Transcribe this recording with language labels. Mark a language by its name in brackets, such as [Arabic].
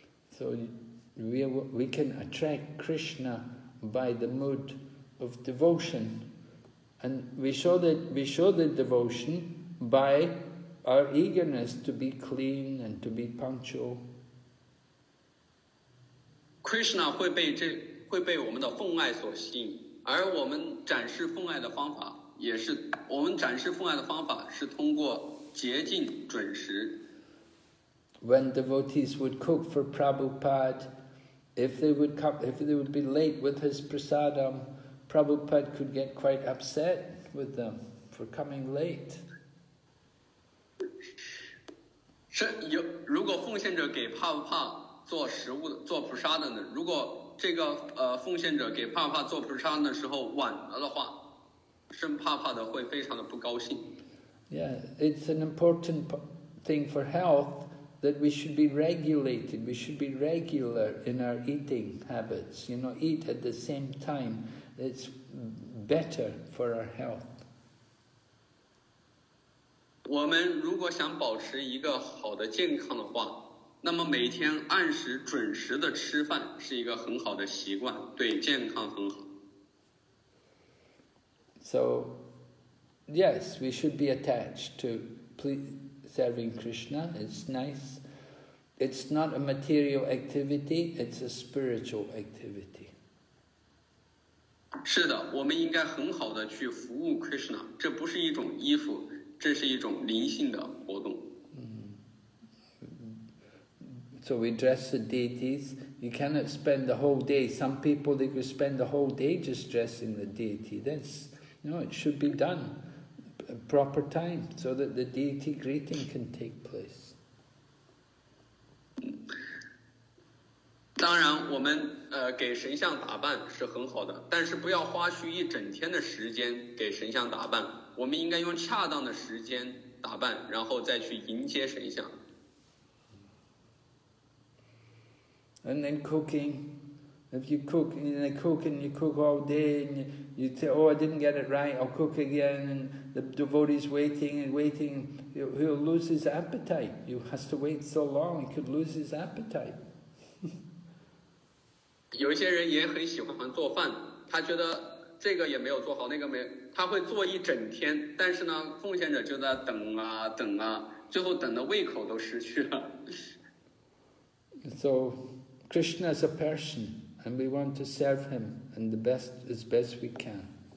[English] So we can attract Krishna by the mood of devotion, and we show the devotion by our eagerness to be clean and to be punctual. [Chinese] Krishna 会被我们的奉爱所吸引，而我们展示奉爱的方法也是我们展示奉爱的方法是通过洁净准时。 [English] When devotees would cook for Prabhupada, if they would be late with his prasadam, Prabhupada could get quite upset with them for coming late. [Chinese] 是有如果奉献者给帕布帕做食物的做普沙的呢？如果这个奉献者给帕布帕做普沙的时候晚了的话，是帕布帕的会非常的不高兴。 [English] Yeah, it's an important thing for health that we should be regulated. We should be regular in our eating habits. You know, eat at the same time. It's better for our health. [Chinese] 我们如果想保持一个好的健康的话，那么每天按时准时的吃饭是一个很好的习惯，对健康很好。 [English] So, yes, we should be attached to serving Krishna. It's nice. It's not a material activity. It's a spiritual activity. [Chinese] 是的，我们应该很好的去服务 Krishna， 这不是一种依附，这是一种灵性的活动。 [English] So we dress the deities. You cannot spend the whole day. Some people, they could spend the whole day just dressing the deity. That's No, it should be done at proper time so that the deity greeting can take place. [Chinese] 当然我们给神像打扮是很好的，但是不要花去一整天的时间给神像打扮，我们应该用恰当的时间打扮，然后再去迎接神像。 [English] And then cooking, if you cook, you cook all day, and you say, oh, I didn't get it right, I'll cook again, and the devotee's waiting and waiting, he'll lose his appetite. He has to wait so long, he could lose his appetite. [Chinese] 有些人也很喜欢做饭，他觉得这个也没有做好，那个没，他会做一整天，但是呢，奉献者就在等啊等啊，最后等的胃口都失去了。 [English] So, Krishna is a person, and we want to serve him and the best as best we can.